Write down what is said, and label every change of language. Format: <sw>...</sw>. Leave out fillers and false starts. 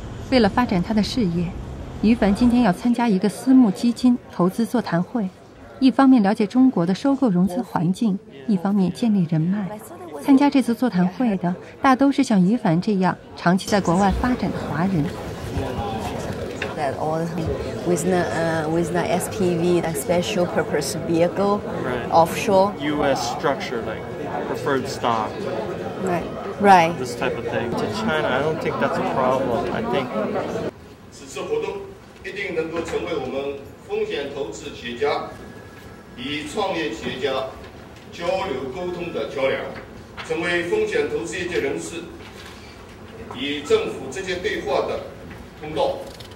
<zh>为了发展他的事业，于凡今天要参加一个私募基金投资座谈会，一方面了解中国的收购融资环境，一方面建立人脉。参加这次座谈会的大都是像于凡这样长期在国外发展的华人。</zh> <en>That all with the SPV, that special purpose vehicle, offshore. U.S. structure, like preferred stock. Right. This type of thing. To China, I don't think that's a problem. I think.</en> <zh>此次活动一定能够成为我们风险投资企业家与创业企业家交流沟通的桥梁，成为风险投资业界人士与政府之间对话的通道。</zh>